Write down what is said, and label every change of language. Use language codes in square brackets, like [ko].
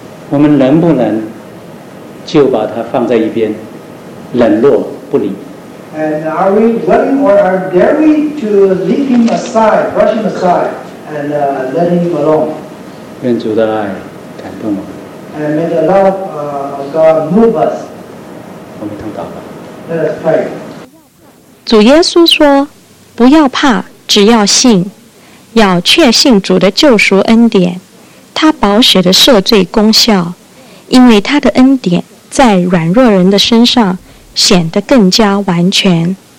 [zh] 我们能不能就把它放在一边，冷落不理？ [en] And are we willing or are dare we to leave him aside, brush him aside, and let him alone? [zh] 愿主的爱感动我们。 [en] And may the love of God move us. [zh] 我们一同祷告。 [en] Let us pray. [zh] 主耶稣说，不要怕，只要信，要确信主的救赎恩典，他宝血的赦罪功效，因为他的恩典在软弱人的身上显得更加完全。